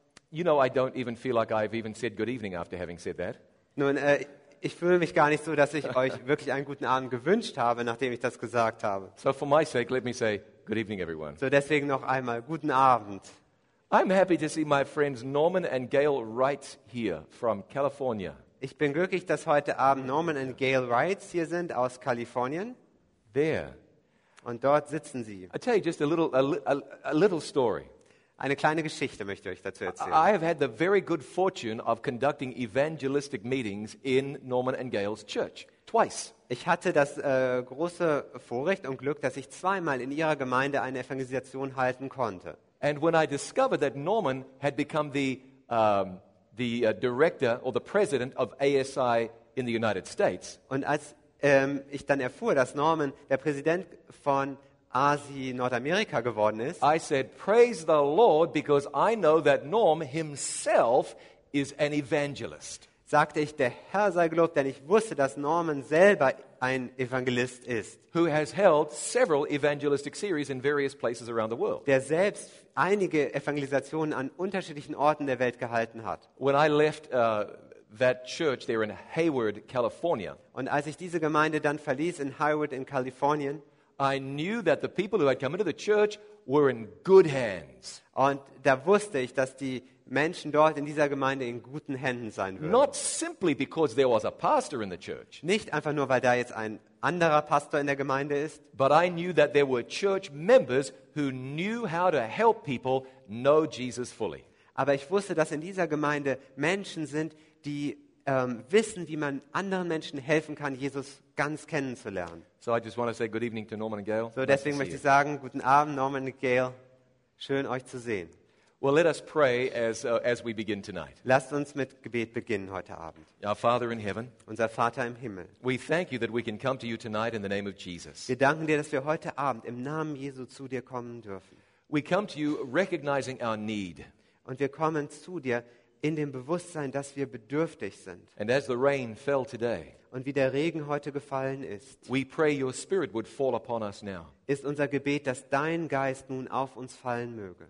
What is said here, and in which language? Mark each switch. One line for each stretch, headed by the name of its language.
English: You know, I don't even feel like I've even said good evening after having said that.
German: Nun, ich fühle mich gar nicht so, dass ich euch wirklich einen guten Abend gewünscht habe, nachdem ich das gesagt habe.
English: So for my sake, let me say good evening, everyone.
German: So deswegen noch einmal guten Abend.
English: I'm happy to see my friends Norman and Gail Wright here from California.
German: Ich bin glücklich, dass heute Abend Norman und Gail Wright hier sind aus Kalifornien.
English: There.
German: Und dort sitzen sie.
English: I tell you just a little story.
German: Eine kleine Geschichte möchte ich euch dazu erzählen.
English: I have had the very good fortune of conducting evangelistic meetings in Norman and Gail's church twice.
German: Ich hatte das große Vorrecht und Glück, dass ich zweimal in ihrer Gemeinde eine Evangelisation halten konnte.
English: And when I discovered that Norman had become the director or the president of ASI in the United States,
German: und als ich dann erfuhr, dass Norman der Präsident von ASI Nordamerika geworden ist,
English: I said, praise the Lord, because I know that Norm himself is an evangelist.
German: Sagte ich, der Herr sei gelobt, denn ich wusste, dass Norman selber ein Evangelist ist.
English: Who has held several evangelistic series in various places around the world.
German: Der selbst einige Evangelisationen an unterschiedlichen Orten der Welt gehalten hat.
English: When I left that church there in Hayward, California.
German: Und als ich diese Gemeinde dann verließ in Hayward in Kalifornien,
English: I knew that the people who had come into the church were in good hands.
German: Und da wusste ich, dass die Menschen dort in dieser Gemeinde in guten Händen sein würden.
English: Not simply because there was a pastor in the church.
German: Nicht einfach nur, weil da jetzt ein anderer Pastor in der Gemeinde ist.
English: But I knew that there were church members who knew how to help people know Jesus fully.
German: Aber ich wusste, dass in dieser Gemeinde Menschen sind, die wissen, wie man anderen Menschen helfen kann, Jesus ganz kennenzulernen.
English: So I just want to say good evening to Norman and Gail.
German: So deswegen möchte ich sagen, guten Abend Norman und Gail. Schön euch zu sehen.
English: Well, let us pray as we begin tonight.
German: Lasst uns mit Gebet beginnen heute Abend.
English: Our Father in heaven.
German: Unser Vater im Himmel.
English: We thank you that we can come to you tonight in the name of Jesus.
German: Wir danken dir, dass wir heute Abend im Namen Jesu zu dir kommen dürfen.
English: We come to you recognizing our need.
German: Und wir kommen zu dir in dem Bewusstsein, dass wir bedürftig sind.
English: And as the rain fell today,
German: und wie der Regen heute gefallen ist,
English: we pray your spirit would fall upon us now.
German: Ist unser Gebet, dass dein Geist nun auf uns fallen möge.